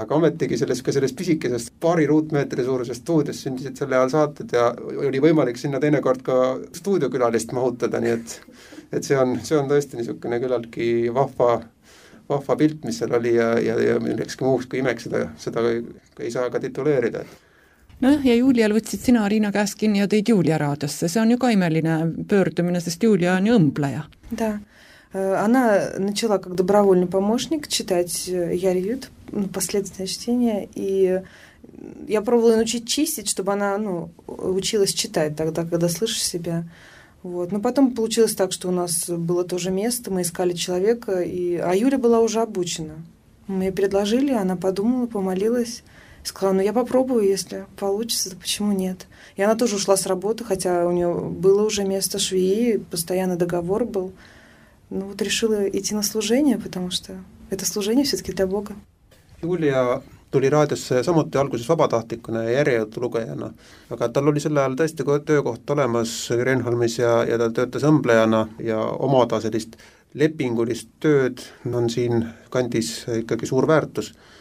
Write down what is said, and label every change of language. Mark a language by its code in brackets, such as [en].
[et] Aga ometigi selles pisikesest paari ruutmeetri suurusest stuudios sündisid selle ajal saatud ja oli võimalik sinna teinekord ka stuudiokülalist mahutada, nii et see on tõesti niisugune küllaltki vahva pilt, mis seal oli ja millekski muuks kui imeks seda ei saa ka tituleerida. No ja Julial võtsid sina Riina käest kinni ja tõid Julia raadiosse. See on ju ka imeline pöördumine, sest Julia on ju õmbleja. [ru] Da. Она начала как добровольный помощник читать Яриют, ну, последовательное чтение, и я пробовала научить чистить, чтобы она, ну, училась читать тогда, когда слышишь себя. Вот. Но потом получилось так, что у нас было тоже место, мы искали человека, а Юля была уже обучена. Мы ей предложили, она подумала, помолилась, сказала: «Ну, я попробую, если получится, то почему нет?» И она тоже ушла с работы, хотя у нее было уже место швеи, постоянный договор был. Ну вот решила идти на служение, потому что это служение все-таки для Бога. [et] Julia tuli raadiosse samuti alguses vabatahtlikuna ja järjejõudu lugejana, aga tal oli selle ajal tõesti töökoht olemas Kreenholmis ja ta töötas õmblejana ja omada sellist lepingulist tööd on siin kandis ikkagi suur väärtus.